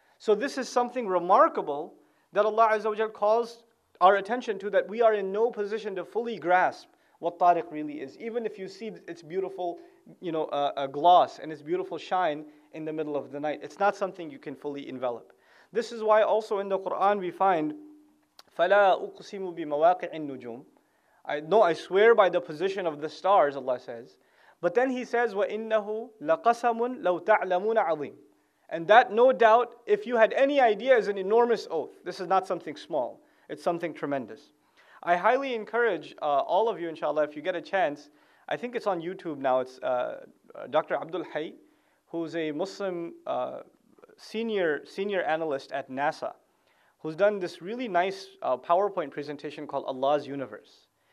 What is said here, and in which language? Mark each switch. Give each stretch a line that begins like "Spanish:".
English: So this is something remarkable that Allah Azza wa Jalla calls our attention to, that we are in no position to fully grasp what tariq really is, even if you see its beautiful, you know, gloss and its beautiful shine in the middle of the night. It's not something you can fully envelop. This is why also in the Quran we find,
Arabic: فَلَا أُقْسِمُ بِمَوَاقِعِ النُّجُومِ.
English: I swear by the position of the stars, Allah says. But then He says,
Arabic: وَإِنَّهُ لَقَسَمٌ لَوْ تَعْلَمُونَ عَظِيمٌ.
English: And that, no doubt, if you had any idea, is an enormous oath. This is not something small. It's something tremendous. I highly encourage all of you, inshallah, if you get a chance, I think it's on YouTube now, it's Dr. Abdul Hay, who's a Muslim senior analyst at NASA, who's done this really nice PowerPoint presentation called Allah's Universe.